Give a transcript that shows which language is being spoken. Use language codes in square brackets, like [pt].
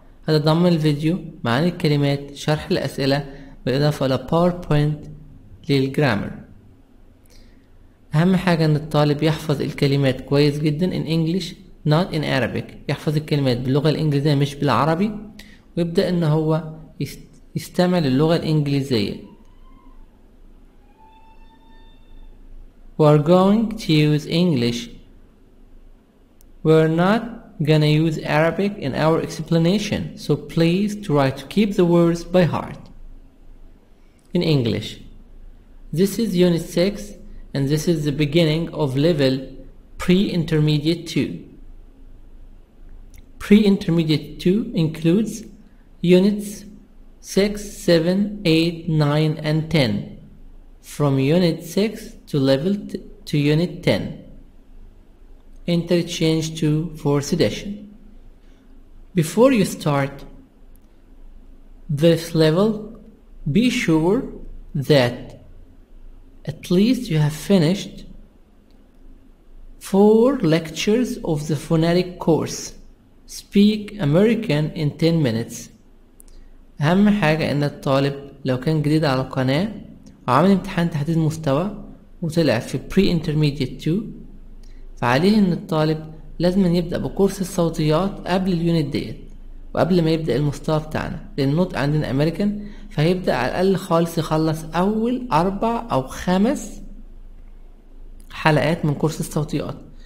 [ar] هذا ضمن الفيديو معاني الكلمات شرح الاسئله بالاضافه الى PowerPoint للجرامر. اهم حاجه ان الطالب يحفظ الكلمات كويس جدا [en] in English not in Arabic، [ar] يحفظ الكلمات باللغه الانجليزيه مش بالعربي، ويبدا ان هو يستمع للغه الانجليزيه. [en] We're going to use English. We're not gonna use Arabic in our explanation, so please try to keep the words by heart. In English. This is Unit 6 and this is the beginning of level pre-intermediate 2. Pre-intermediate 2 includes Units 6, 7, 8, 9 and 10. From Unit 6 to level to Unit 10. Interchange to 4th edition. Before you start this level, be sure that at least you have finished 4 lectures of the phonetic course. Speak American in 10 minutes. [ar] أهم حاجة إن الطالب لو كان جديد على القناة وعامل امتحان تحديد مستوى وطلع في pre-intermediate 2، فعليه ان الطالب لازم ان يبدأ بكورس الصوتيات قبل اليونت ديت وقبل ما يبدأ المستوى بتاعنا، لان النطق عندنا امريكان، فهيبدأ على الاقل خالص يخلص اول 4 أو 5 حلقات من كورس الصوتيات.